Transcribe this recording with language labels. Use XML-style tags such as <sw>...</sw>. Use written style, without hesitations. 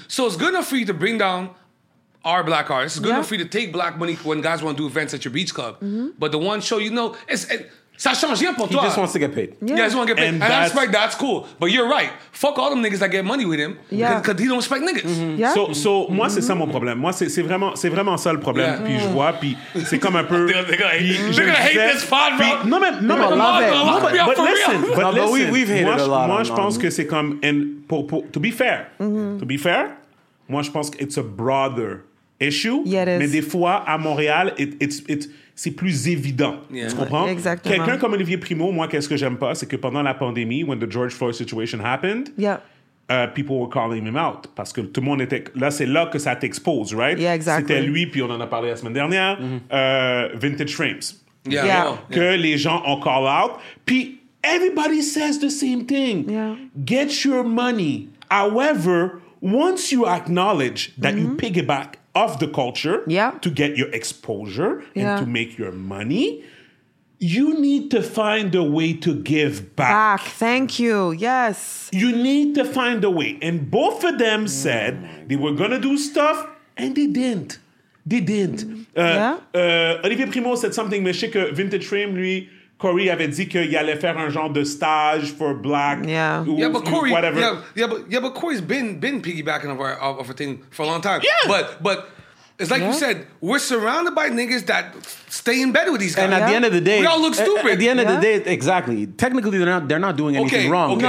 <en>So it's good enough for you to bring down our black artists. It's good enough for you to take black money when guys want to do events at your beach club. Mm-hmm. But the one show,</en> <fr>ça change rien pour</fr> <en>he</en> <fr>toi.</fr> <en>He just wants to get paid. Yeah, he just wants to get paid. And that's, that's cool. But you're right. Fuck all them niggas that get money with him. Yeah. Because he don't respect niggas. Mm-hmm. Yeah.</en> <fr>So mm-hmm. moi, c'est ça mon problème. Moi, c'est vraiment ça le problème. Yeah. Puis je vois, puis c'est comme un peu...</fr> <en>they're gonna hate this pod, bro.</en> <fr>Moi, je pense que c'est comme...</fr> <en>And to be fair,</en> <fr>moi, je pense que</fr> <en>it's a broader issue. Yeah, it is.</en> <fr>Mais des fois, à Montréal,</fr> <en>it's</en> <fr>c'est plus évident.</fr> <en>Yeah.</en> <fr>Tu comprends? Exactement. Quelqu'un comme Olivier Primo, moi, qu'est-ce que j'aime pas? C'est que pendant la pandémie,</fr> <en>when the George Floyd situation happened, people were calling him out.</en> <fr>Parce que tout le monde était... Là, c'est là que ça t'expose,</fr> <en>right? Yeah, exactly.</en> <fr>C'était lui, puis on en a parlé la semaine dernière, Vintage Frames.</fr> <en>Yeah.</en> <fr>Que les gens ont</fr> <en>call out. Puis, everybody says the same thing. Yeah. Get your money. However, once you acknowledge that you piggyback of the culture to get your exposure and to make your money, you need to find a way to give back. Thank you. Yes. You need to find a way. And both of them said they were going to do stuff and they didn't. They didn't. Olivier Primo said something,</en> <fr>mais je sais que Vintage Frame, lui, Corey avait dit qu'il allait faire un genre de stage</fr> <en>for black. But Corey's been piggybacking of a thing for a long time. Yeah. But it's like you said, we're surrounded by niggas that stay in bed with these guys. And at the end of the day, we all look stupid. At the end of the day, exactly. Technically, they're not doing anything wrong. Okay.</en>